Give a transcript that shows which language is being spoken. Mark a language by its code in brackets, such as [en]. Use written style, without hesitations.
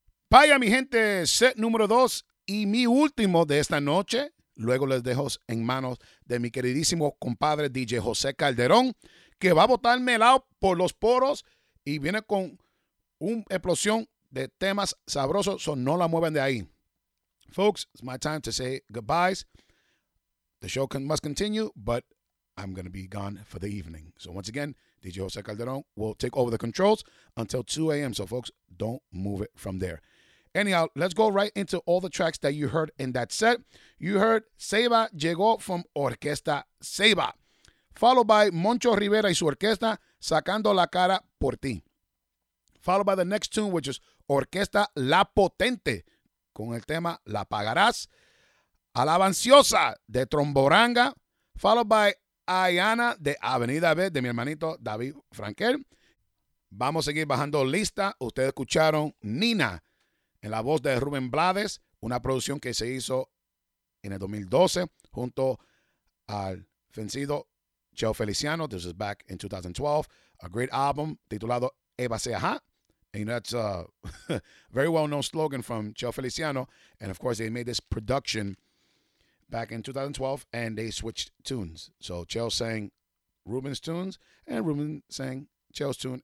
[es] Vaya, mi gente, set número 2 y mi último de esta noche. Luego les dejo en manos de mi queridísimo compadre DJ José Calderón, que va a botarme el lado por los poros y viene con una explosión de temas sabrosos. So no la mueven de ahí. [en] Folks, it's my time to say goodbyes. The show must continue, but I'm going to be gone for the evening. So once again, DJ José Calderón will take over the controls until 2 a.m. So folks, don't move it from there. Anyhow, let's go right into all the tracks that you heard in that set. You heard Ceiba Llegó from Orquesta Ceiba, followed by Moncho Rivera y su orquesta Sacando la Cara por Ti, followed by the next tune, which is Orquesta La Potente, con el tema La Pagarás, Alabanciosa de Tromboranga, followed by Ayana de Avenida B de mi hermanito David Frankel. [es] Vamos a seguir bajando lista. Ustedes escucharon Nina en la voz de Rubén Blades, una producción que se hizo en el 2012 junto al vencido Cheo Feliciano. [en] This is back in 2012. A great album titulado Eva Se Ajá. And that's a very well-known slogan from Cheo Feliciano. And of course, they made this production back in 2012 and they switched tunes. So Cheo sang Rubén's tunes and Rubén sang Cheo's tune.